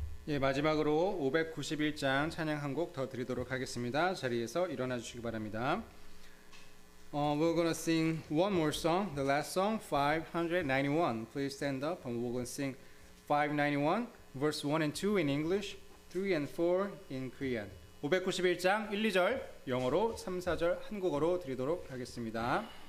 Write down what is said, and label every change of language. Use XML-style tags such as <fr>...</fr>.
<ko>예, 마지막으로 591장 찬양 한 곡 더 드리도록 하겠습니다. 자리에서 일어나 주시기 바랍니다.</ko> <en>We're gonna sing one more song, the last song, 591. Please stand up and we're gonna sing 591, verse 1 and 2 in English, 3 and 4 in Korean.</en> <ko>591장 1, 2절 영어로, 3, 4절 한국어로 드리도록 하겠습니다.</ko>